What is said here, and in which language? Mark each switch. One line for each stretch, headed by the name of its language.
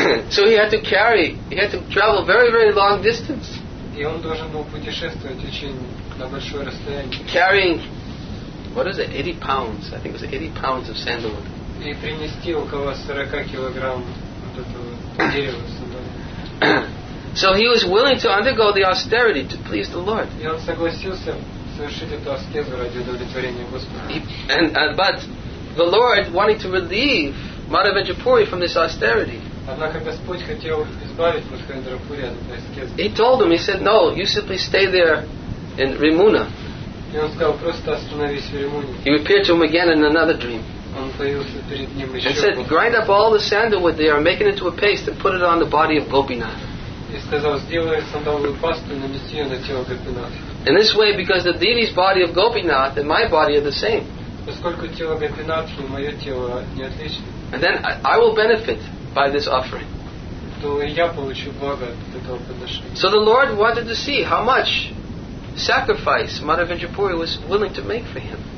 English: So he had to carry, he had to travel very, very long distance.
Russian: И он должен был путешествовать очень на большое расстояние.
English: Carrying, what is it, 80 pounds? I think it was 80 pounds of sandalwood.
Russian: И принести около 40 килограмм вот этого дерева сандалов.
English: So he was willing to undergo the austerity to please the Lord.
Russian: И он согласился совершить эту аскезу ради удовлетворения Господа.
English: But the Lord wanting to relieve Madhavendrapuri from this austerity.
Russian: Однако Господь хотел избавить Мадхавендрапури от этой аскезы.
English: He told him, he said, no, you simply stay there in Rimuna.
Russian: И он сказал, просто остановись в Римуне.
English: He appeared to him again in another dream.
Russian: Он появился перед ним еще.
English: And said, grind up all the sandalwood they are making into a paste and put it on the body of Gopinath.
Russian: И сказал, сделай сандаловую пасту и нанеси ее на тело Гопинатха.
English: In this way, because the deity's body of Gopinath and my body are the same.
Russian: Поскольку тело Гопинатхи и мое тело не отличны.
English: And then I will benefit by this offering.
Russian: То я получу благо от этого подношения.
English: So the Lord wanted to see how much sacrifice Madhavendrapuri was willing to make for him.